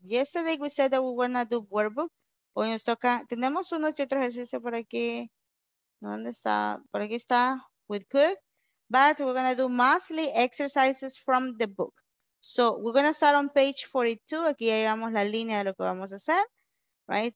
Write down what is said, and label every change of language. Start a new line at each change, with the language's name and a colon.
English: Yesterday, we said that we were going to do workbook.
Spanish: Hoy nos toca, tenemos uno que otro ejercicio por aquí. ¿Dónde está? Por aquí está,
English: with could. But we're going to do mostly exercises from the book. So we're going to start on page 42.
Spanish: Aquí ya llevamos la línea de lo que vamos a hacer, right?